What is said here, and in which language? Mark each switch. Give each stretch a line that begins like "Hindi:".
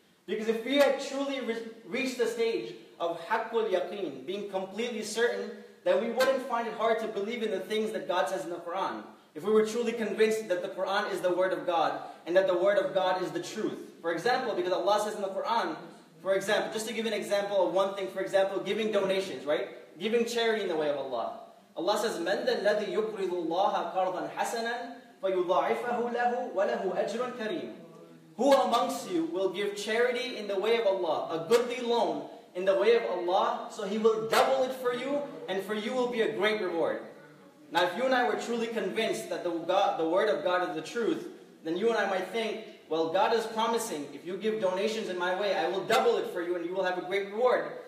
English: Because if we had truly reached the stage of haqqul yaqeen, being completely certain, then we wouldn't find it hard to believe in the things that God says in the Quran. If we were truly convinced that the Quran is the word of God, and that the word of God is the truth. For example, because Allah says in the Quran, for example, just to give an example of one thing, for example, giving donations, right? Giving charity in the way of Allah. Allah says,
Arabic: مَنْ الَّذِي يُقْرِضُ اللَّهَ قَرْضًا حَسَنًا فَيُضَعِفَهُ لَهُ وَلَهُ أَجْرٌ كَرِيمٌ.
English: Who amongst you will give charity in the way of Allah, a goodly loan in the way of Allah, so He will double it for you, and for you will be a great reward. Now if you and I were truly convinced that the word of God is the truth, then you and I might think, well, God is promising, if you give donations in my way, I will double it for you and you will have a great reward.